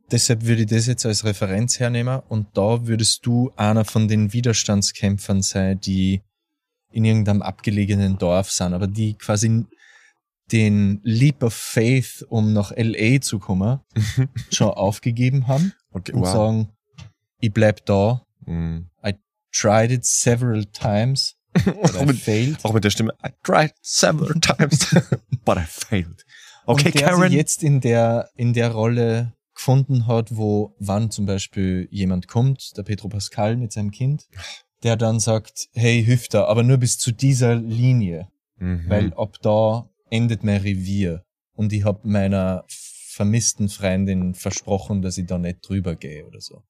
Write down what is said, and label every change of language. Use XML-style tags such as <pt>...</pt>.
<de>Deshalb würde ich das jetzt als Referenz hernehmen und da würdest du einer von den Widerstandskämpfern sein, die in irgendeinem abgelegenen Dorf sind, aber die quasi den Leap of Faith, um nach L.A. zu kommen, schon aufgegeben haben. Okay, wow. Und sagen, ich bleib da.</de> <en>I tried it several times, but I failed.</en> <de>Auch mit der Stimme.</de> <en>I tried several times, but I failed.</en> <de>Okay, und der Karen. Sich jetzt in der Rolle gefunden hat, wo, wann zum Beispiel jemand kommt, der Pedro Pascal mit seinem Kind, der dann sagt, hey, hilf da, aber nur bis zu dieser Linie. Mhm. Weil ab da endet mein Revier. Und ich hab meiner vermissten Freundin versprochen, dass ich da nicht drüber gehe oder so.</de>